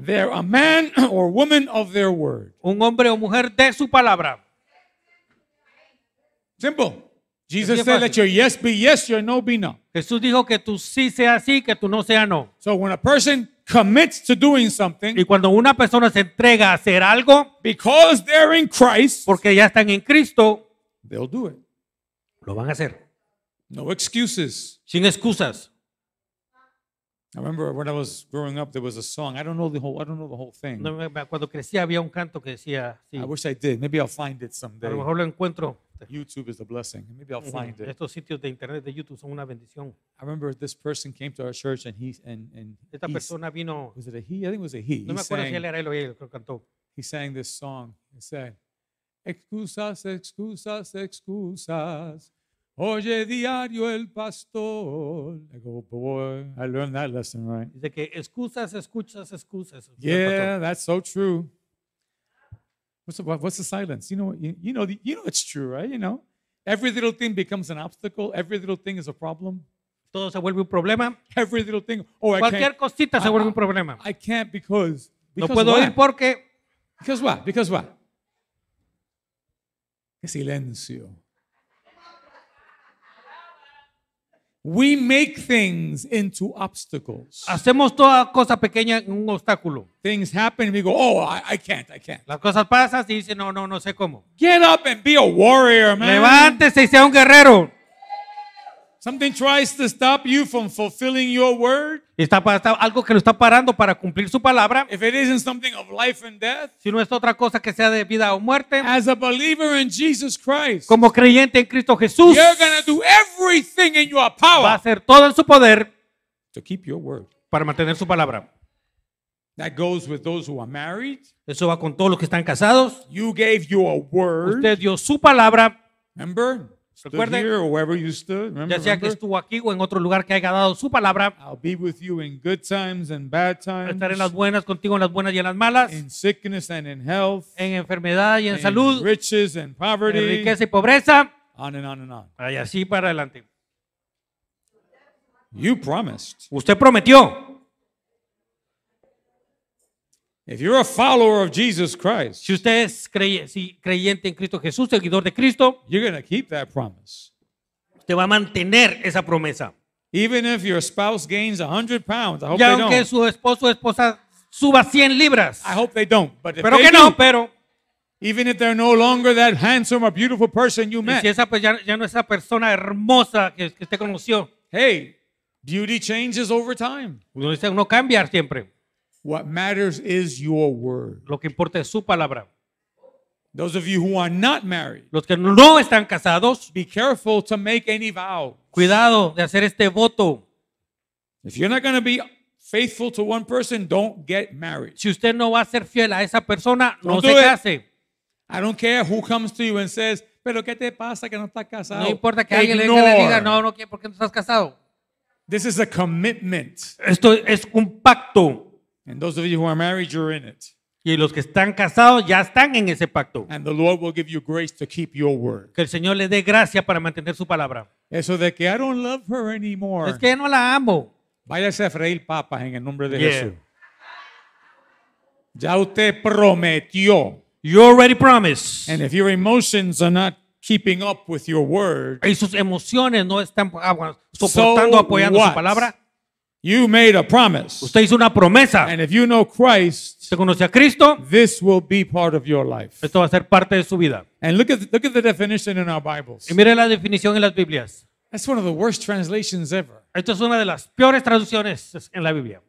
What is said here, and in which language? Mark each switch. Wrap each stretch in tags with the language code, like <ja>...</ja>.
<en>They're a man or woman of their word.</en> <es>Un hombre o mujer de su palabra.</es> <en>Simple. Jesus said, "Let your yes be yes, your no be no."</en> <es>Jesús dijo que tu sí sea sí, que tu no sea no.</es> <en>So when a person commits to doing something,</en> <es>y cuando una persona se entrega a hacer algo,</es> <en>because they're in Christ,</en> <es>porque ya están en Cristo,</es> <en>they'll do it.</en> <es>Lo van a hacer.</es> <en>No excuses.</en> <es>Sin excusas.</es> <en>I remember when I was growing up, there was a song. I don't know the whole thing.</en> <es>No, cuando crecí había un canto que decía. Sí.</es> <en>I wish I did. Maybe I'll find it someday.</en> <es>A lo mejor lo encuentro.</es> <en>YouTube is a blessing. Maybe I'll find it.</en> <es>Estos sitios de internet de YouTube son una bendición.</es> <en>I remember this person came to our church and</en> <es>esta persona vino.</es> <en>Was it a he? I think it was a he.</en> <es>No me acuerdo si él era él o ella, creo que cantó.</es> <en>He sang this song. He said.</en> <es>Excusas, excusas, excusas. Oye, diario el pastor.</es> <en>I go, boy, I learned that lesson right.</en> <es>Dice que excusas, excusas, excusas.</es> <en>Yeah, that's so true. What's the silence? You know it's true, right? You know, every little thing becomes an obstacle. Every little thing is a problem.</en> <es>Todo se vuelve un problema.</es> <en>Every little thing. Oh,</en> <es>cualquier cosita se vuelve un problema.</es> <en>I can't because.</en> <es>No puedo</es> <en>why?</en> <es>Ir porque.</es> <en>Because what? Because what?</en> <es>Silencio.</es> <en>We make things into obstacles.</en> <es>Hacemos toda cosa pequeña en un obstáculo.</es> <en>Things happen and we go, oh, I can't.</en> <es>Las cosas pasan y dicen, no sé cómo.</es> <en>Get up and be a warrior, man.</en> <es>Levántese y sea un guerrero.</es> <en>Something tries to stop you from fulfilling your word.</en> <es>Está algo que lo está parando para cumplir su palabra.</es> <en>If it isn't something of life and death,</en> <es>si no es otra cosa que sea de vida o muerte.</es> <en>As a believer in Jesus Christ,</en> <es>como creyente en Cristo Jesús,</es> <en>you're gonna do everything in your power.</en> <es>Va a hacer todo en su poder</es> <en>to keep your word.</en> <es>Para mantener su palabra.</es> <en>That goes with those who are married.</en> <es>Eso va con todos los que están casados.</es> <en>You gave your word.</en> <es>Usted dio su palabra.</es> <en>Remember?</en> <es>Recuerde,</es> <en>stood here or wherever you stood, remember,</en> <es>ya sea que estuvo aquí o en otro lugar que haya dado su palabra.</es> <en>I'll be with you in good times and bad times.</en> <es>Estaré en las buenas contigo, en las buenas y en las malas.</es> <en>In sickness and in health.</en> <es>En enfermedad y en salud.</es> <en>In riches and poverty.</en> <es>En riqueza y pobreza.</es> <en>On and on and on.</en> <es>Y así para adelante.</es> <en>You promised.</en> <es>Usted prometió.</es> <en>If you're a follower of Jesus Christ,</en> <es>si usted es creyente en Cristo Jesús, seguidor de Cristo,</es> <en>you're going to keep that promise.</en> <es>Usted va a mantener esa promesa.</es> <en>Even if your spouse gains 100 pounds, I hope</en> <es>y aunque</es> <en>they don't.</en> <es>Su esposo o esposa suba 100 libras.</es> <en>I hope they don't, but if</en> <es>pero</es> <en>they</en> <es>que</es> <en>do,</en> <es>no, pero</es> <en>even if they're no longer that handsome or beautiful person you met.</en> <es>Si esa pues ya no es esa persona hermosa que usted conoció.</es> <en>Hey, beauty changes over time.</en> <es>Uno cambia siempre.</es> <en>What matters is your word.</en> <es>Lo que importa es su palabra.</es> <en>Those of you who are not married.</en> <es>Los que no están casados,</es> <en>be careful to make any vow.</en> <es>Cuidado de hacer este voto.</es> <en>If you're not going to be faithful to one person, don't get married.</en> <es>Si usted no va a ser fiel a esa persona, no se case.</es> <en>I don't care who comes to you and says,</en> <es>"Pero qué te pasa que no estás casado?" No importa que alguien le diga, "No, no, ¿por qué no estás casado?"</es> <en>This is a commitment.</en> <es>Esto es un pacto.</es> <en>And those of you who are married, you're in it.</en> <es>Y los que están casados ya están en ese pacto.</es> <en>And the Lord will give you grace to keep your word.</en> <es>Que el Señor le dé gracia para mantener su palabra. Eso de que</es> <en>I don't love her anymore.</en> <es>Es que no la amo. Váyase a freír papas en el nombre de Jesús. Ya usted prometió.</es> <en>You already promised. And if your emotions are not keeping up with your word,</en> <es>y sus emociones no están soportando,</es> <en>so</en> <es>apoyando</es> <en>what?</en> <es>Su palabra.</es> <en>You made a promise.</en> <es>Usted hizo una promesa.</es> <en>And if you know Christ,</en> <es>¿se conoce a Cristo?</es> <en>This will be part of your life.</en> <es>Esto va a ser parte de su vida.</es> <en>And look at the definition in our Bibles.</en> <es>Y mire la definición en las Biblias.</es> <en>That's one of the worst translations ever.</en> <es>Esto es una de las peores traducciones en la Biblia.</es>